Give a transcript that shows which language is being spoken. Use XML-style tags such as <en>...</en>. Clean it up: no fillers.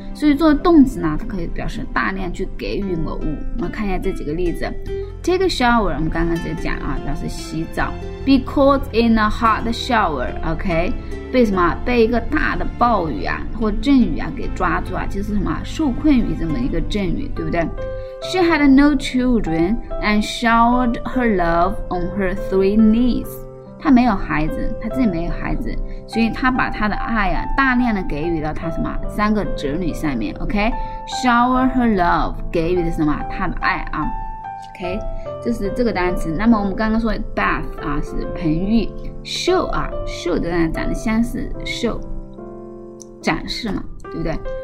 <zh>所以作为动词呢，它可以表示大量去给予某物。我们看一下这几个例子，</zh> <en>take a shower，</en> <zh>我们刚刚在讲啊，表示洗澡，</zh> <en>be caught in a hot shower，</en> <zh>OK，被什么，被一个大的暴雨啊或阵雨啊给抓住啊，就是什么受困于这么一个阵雨，对不对？</zh> <en>She had no children and showered her love on her three knees.</en> <zh>她没有孩子，她自己没有孩子，所以她把她的爱啊大量的给予到她什么三个侄女上面， OK，</zh> <en>shower her love，</en> <zh>给予的什么她的爱啊， OK，这是这个单词。那么我们刚刚说 bath 啊是盆浴， show 啊， show 的单词长得相似， show 展示嘛，对不对？</zh>